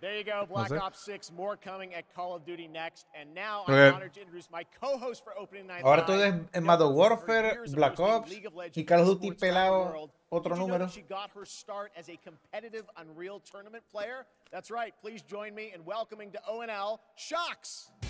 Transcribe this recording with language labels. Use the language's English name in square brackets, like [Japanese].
[English] There you go, Black Ops 6, more coming at Call of Duty next. And now I'm honored to introduce my co-host for opening night. [Spanish] Ahora todo es Modern Warfare, Black Ops y Call of Duty pelado, otro número. [English] She got her start as a competitive Unreal Tournament player. That's right, please join me in welcoming to ONL, Shox.